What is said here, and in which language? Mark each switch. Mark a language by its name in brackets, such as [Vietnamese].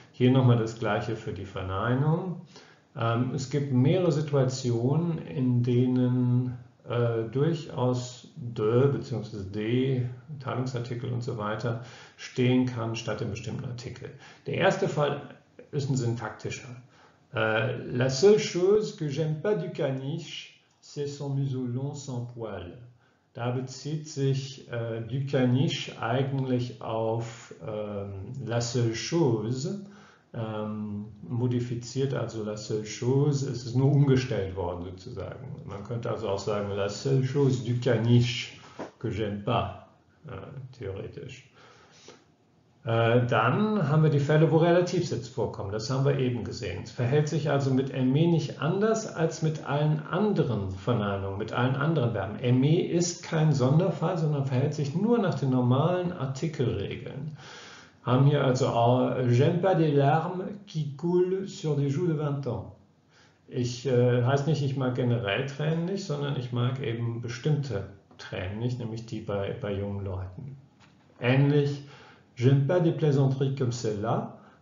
[German] Hier nochmal das Gleiche für die Verneinung. Es gibt mehrere Situationen, in denen durchaus de bzw. de, Teilungsartikel und so weiter, stehen kann statt dem bestimmten Artikel. Der erste Fall ist ein syntaktischer. [French] La seule chose que j'aime pas du caniche, c'est son museau long sans poil. [German] Da bezieht sich du caniche eigentlich auf la seule chose. Modifiziert also la seule chose, es ist nur umgestellt worden sozusagen. Man könnte also auch sagen, [French] la seule chose du caniche que j'aime pas, [German] theoretisch. Dann haben wir die Fälle, wo Relativsätze vorkommen, das haben wir eben gesehen. Es verhält sich also mit aimé nicht anders als mit allen anderen Verneinungen, mit allen anderen Verben. Aimé ist kein Sonderfall, sondern verhält sich nur nach den normalen Artikelregeln. Haben hier also auch, [French] j'aime pas des larmes qui coulent sur des joues de 20 ans. [German] Ich heißt nicht, ich mag generell Tränen nicht, sondern ich mag eben bestimmte Tränen nicht, nämlich die bei jungen Leuten. [French] Ähnlich, j'aime pas des plaisanteries comme celle-là.